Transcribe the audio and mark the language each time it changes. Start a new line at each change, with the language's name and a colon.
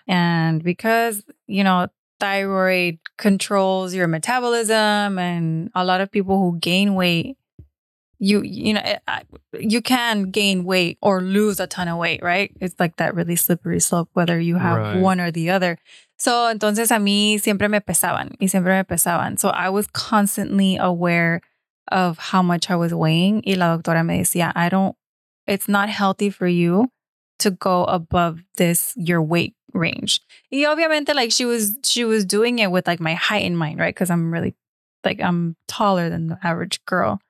English: And because, you know, thyroid controls your metabolism, and a lot of people who gain weight, you can gain weight or lose a ton of weight, right? It's like that really slippery slope, whether you have one or the other.
Spanish: So, entonces a mí siempre me pesaban y siempre me pesaban.
English: So I was constantly aware of how much I was weighing.
Spanish: Y la doctora me decía,
English: it's not healthy for you to go above this, your weight range.
Spanish: Y obviamente,
English: like, she was doing it with like my height in mind, right? Cause I'm really like, I'm taller than the average girl.